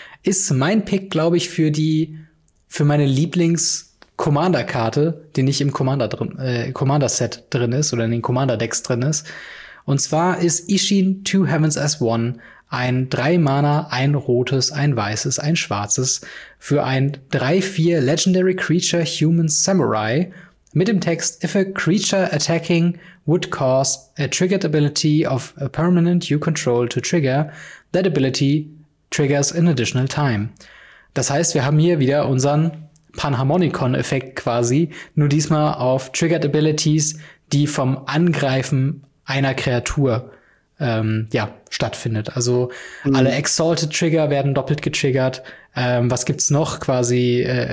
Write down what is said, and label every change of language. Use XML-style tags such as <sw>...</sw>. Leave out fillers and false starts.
<de>Ist mein Pick, glaube ich, für meine Lieblings-Commander-Karte, die nicht im Commander-Set drin ist oder in den Commander-Decks drin ist. Und zwar ist Isshin, Two Heavens as One ein 3-Mana, ein rotes, ein weißes, ein schwarzes für ein 3-4 Legendary Creature Human Samurai. Mit dem Text,</de> <en>if a creature attacking would cause a triggered ability of a permanent you control to trigger, that ability triggers an additional time.</en> <de>Das heißt, wir haben hier wieder unseren Panharmonicon-Effekt quasi, nur diesmal auf triggered abilities, die vom Angreifen einer Kreatur stattfindet. Also alle Exalted-Trigger werden doppelt getriggert. Was gibt's noch quasi?</de>